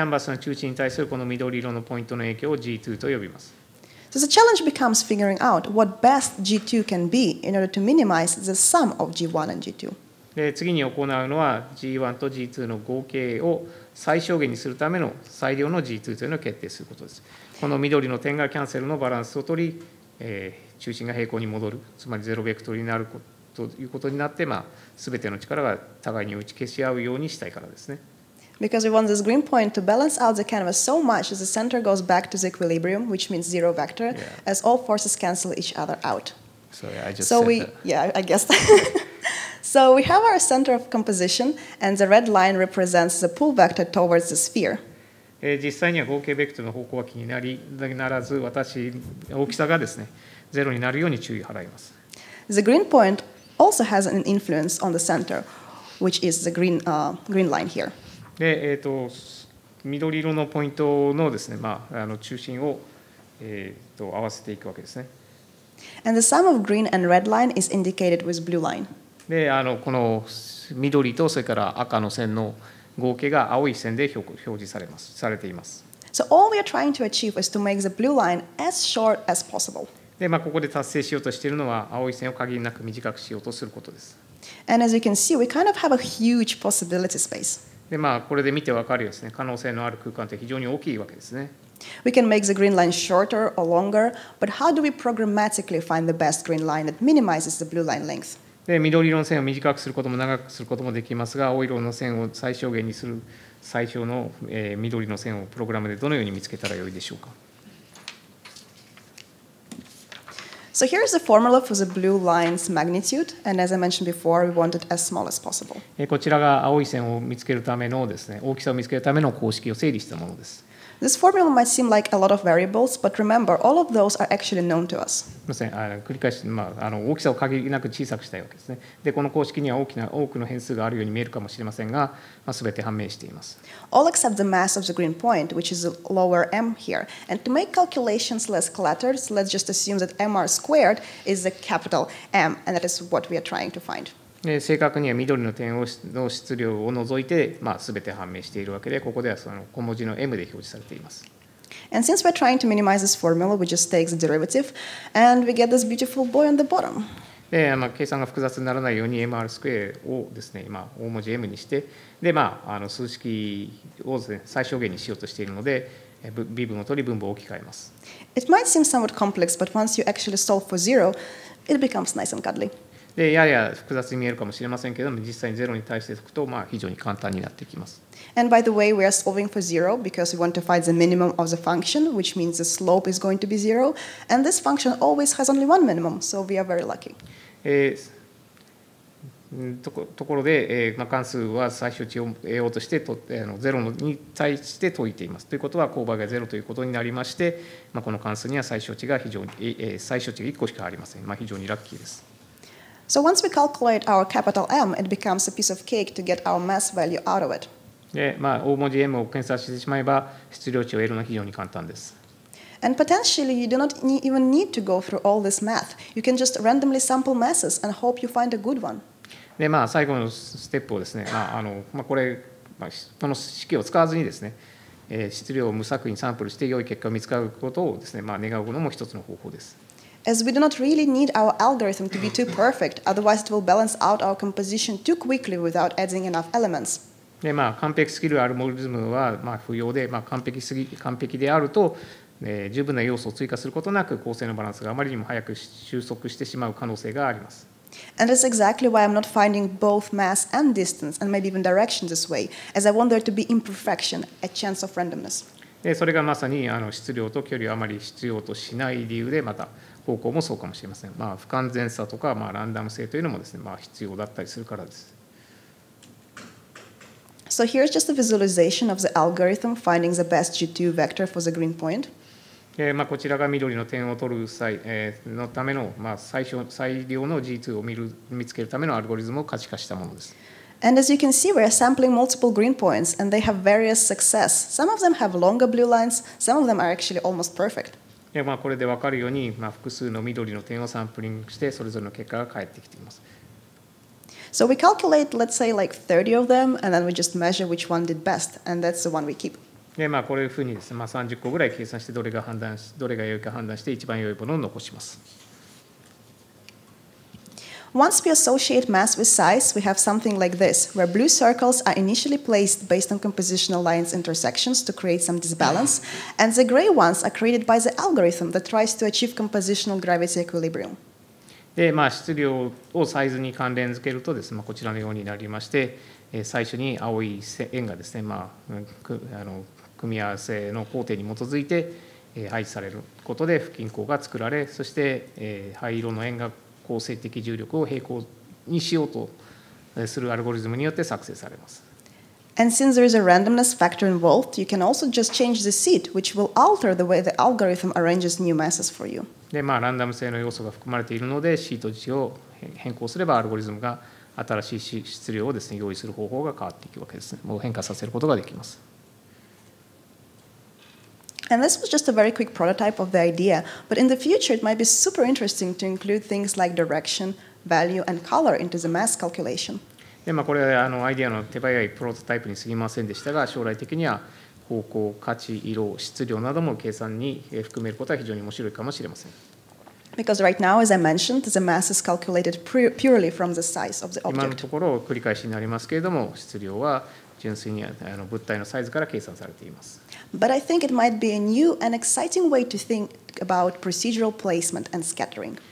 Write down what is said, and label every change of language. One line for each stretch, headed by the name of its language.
Japanese: ャンバスの中心に対するこの緑色のポイントの影響を G2 と呼びます。
English: So the challenge becomes figuring out what best G2 can be in order to minimize the sum of G1 and G2.
Japanese: で、次に行うのは G1 と G2 の合計を最小限にするための最良の G2 というのを決定することです。この緑の点がキャンセルのバランスを取り、中心が平行に戻る、つまりゼロベクトルになるということになって、まあ、全ての力が互いに打ち消し合うようにしたいからですね。
English: Because we want this green point to balance out the canvas so much as the center goes back to the equilibrium, which means zero vector, yeah. as all forces cancel each other out. Sorry, I just so said we, that. Yeah, I guess. So we have our center of composition, and the red line represents the pull vector towards the sphere.
Japanese: 実際には合計ベクトルの方向は気にな ならず、私、大きさがですね、ゼロになるように注意を払います。
English: The green point also has an influence on the center, which is the green,green line here.
Japanese: で、緑色のポイントのですね、まあ、あの中心を、合わせていくわけですね。
English: And the sum of green and red line is indicated with blue line.
Japanese: で、あのこの緑とそれから赤の線の合計が青い線で表示されます、されています。
English: So all we are trying to achieve is to make the blue line as short as possible.
Japanese: で、まあ、ここで達成しようとしているのは青い線を限りなく短くしようとすることです。
English: And as you can see, we kind of have a huge possibility space.
Japanese: で、まあ、これで見てわかるようですね。可能性のある空間って非常に大きいわけですね。
English: We can make the green line shorter or longer, but how do we programmatically find the best green line that minimizes the blue line length?
Japanese: で、緑色の線を短くすることも長くすることもできますが、青色の線を最小限にする最小の、緑の線をプログラムでどのように見つけたらよいでしょうか。
English: So here is the formula for the blue line's magnitude, and as I mentioned before, we want it as small as possible.
Japanese: こちらが青い線を見つけるためのですね、大きさを見つけるための公式を整理したものです。
English: This formula might seem like a lot of variables, but remember, all of those are actually known to us.
Japanese: 繰り返し、まあ、あの大きさを限りなく小さくしたいわけですね。で、この公式には多くの変数があるように見えるかもしれませんが、まあ、全て判明しています。
English: All except the mass of the green point, which is lower m here. And to make calculations less cluttered, let's just assume that mr squared is the capital M, and that is what we are trying to find.
Japanese: 正確には緑の点の質量を除いて、まあ、全て判明しているわけで、ここではその小文字の m で表示されています。
English: And since we're trying to minimize this formula, we just take the derivative and we get this beautiful boy on the bottom.
Japanese: で、まあ、計算が複雑にならないように mr スクエアをですね、まあ、大文字 m にして、で、まあ、あの数式を、ね、最小限にしようとしているので、微分を取り分母を置き換えます。
English: It might seem somewhat complex, but once you actually solve for zero, it becomes nice and cuddly.
Japanese: で、やや複雑に見えるかもしれませんけども、実際にゼロに対して解くと、まあ、非常に簡単になってきます。
English: And by the way, we are solving for zero because we want to find the minimum of the function, which means the slope is going to be zero. And this function always has only one minimum, so we are very lucky.
Japanese: ところで、まあ、関数は最小値を得ようとしてあのゼロに対して解いています。ということは、勾配がゼロということになりまして、まあ、この関数には最小値が非常に、最小値が1個しかありません。まあ、非常にラッキーです。
English: So once we calculate our capital M, it becomes a piece of cake to get our mass value out of it.
Japanese: まあ、大文字 M を検索してしまえば質量値を得るのは非常に簡単です。
English: And potentially you do not even need to go through all this math. You can just randomly sample masses and hope you find a good one.
Japanese: で、まあ、最後のステップをですね、まあ、あの、まあ、これ、まあ、この式を使わずにですね、質量を無作為にサンプルして良い結果を見つかることをですね、まあ、願うのも一つの方法です。
English: as we do not really need our algorithm to be too perfect, otherwise it will balance out our composition too quickly without adding enough elements.
Japanese: で、まあ、完璧スキルアルゴリズムは、まあ、不要で、まあ、完璧すぎ、完璧であると、十分な要素を追加することなく構成のバランスがあまりにも早く収束してしまう可能性があります。
English: And that's exactly why I'm not finding both mass and distance, and maybe even direction this way, as I want there to be imperfection, a chance of randomness.
Japanese: で、それがまさに、あの、質量と距離をあまり必要としない理由で、また方向もそうかもしれません。まあ、不完全さとか、まあ、ランダム性というのもですね、まあ、必要だったりするからです。
English: So here's just a visualization of the algorithm finding the best G2 vector for the green point.
Japanese: まあ、こちらが緑の点を取る際、のための、まあ、最良の G2 を 見つけるためのアルゴリズムを可視化したものです。
English: And as you can see, we are sampling multiple green points, and they have various success. Some of them have longer blue lines, some of them are actually almost perfect.
Japanese: まあ、これで分かるように、まあ、複数の緑の点をサンプリングして、それぞれの結果が返ってきています。
English: So we calculate, let's say, like 30 of them, and then we just measure which one did best, and that's the one we keep.
Japanese: で、まあ、こういうふうにですね、まあ、30個ぐらい計算して、どれが良いか判断して、一番良いものを残します。
English: Once we associate mass with size, we have something like this, where blue circles are initially placed based on compositional lines intersections to create some disbalance, and the gray ones are created by the algorithm that tries to achieve compositional gravity equilibrium.
Japanese: で、まあ、質量をサイズに関連付けるとですね、まあ、こちらのようになりまして、最初に青い円がですね、まあ、組み合わせの工程に基づいて配置されることで不均衡が作られ、そして灰色の円が構成的重力を平行にしようとするアルゴリズムによって作成されます。
English: And since there is a randomness factor involved, you can also just change the seed, which will alter the way the algorithm arranges new masses for you.
Japanese: で、まあ、ランダム性の要素が含まれているので、シート位置を変更すれば、アルゴリズムが新しい質量をですね、用意する方法が変わっていくわけですね。もう変化させることができます。
English: And this was just a very quick prototype of the idea, but in the future, it might be super interesting to include things like direction, value, and color into the mass calculation.
Japanese: でまあ、これはあのアイデアの手早いプロトタイプにすぎませんでしたが、将来的には方向、価値、色、質量なども計算に含めることは非常に面白いかもしれません。
English: Because right now, as I mentioned, the mass is calculated purely from the size of the object.
Japanese: 今のところ繰り返しになりますけれども、質量は純粋にあの物体のサイズから計算されています。
English: But I think it might be a new and exciting way to think about procedural placement and scattering.